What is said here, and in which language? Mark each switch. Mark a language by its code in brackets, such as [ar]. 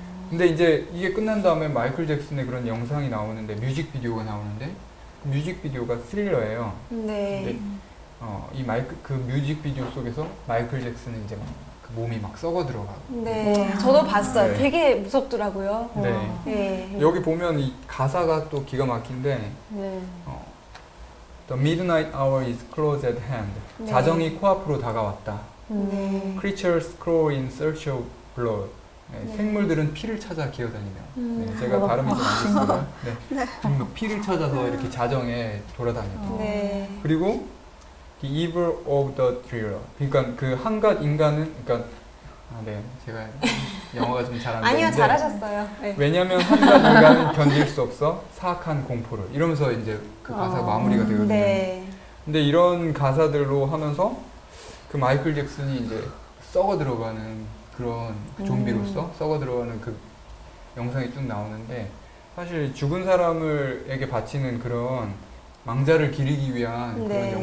[ko] 근데 이제 이게 끝난 다음에 마이클 잭슨의 그런 영상이 나오는데 뮤직비디오가 나오는데 그 뮤직비디오가 스릴러예요. 근데 이 마이클 그 뮤직비디오 속에서 마이클 잭슨은 이제 막 그 몸이 막 썩어 들어가고. 네. 와. 저도 봤어요. 네. 되게 무섭더라고요. 네. 네. 여기 보면 이 가사가 또 기가 막힌데. 네. [en] The midnight hour is close at hand. [ko] 네. 자정이 코앞으로 다가왔다. 네. [en] Creatures crawl in search of blood. [ko] 네, 네. 생물들은 피를 찾아 기어다니며. 네, 제가 발음이 좀 안 좋습니다. 네. 네. 피를 찾아서 이렇게 자정에 돌아다니고. 네. 그리고 [en] the evil of the thriller. [ko] 그러니까 그 한갓 인간은, 그러니까 아, 네, 제가 영어가 좀 잘 안 되는데. 아니요, 잘하셨어요. 네. 왜냐하면 한갓 인간은 견딜 수 없어 사악한 공포를. 이러면서 이제 그 가사 마무리가 되거든요. 네. 근데 이런 가사들로 하면서 그 마이클 잭슨이 이제 썩어 들어가는 그런 좀비로서 썩어 들어가는 그 영상이 쭉 나오는데, 사실 죽은 사람을에게 바치는 그런 망자를 기리기 위한 그런 네.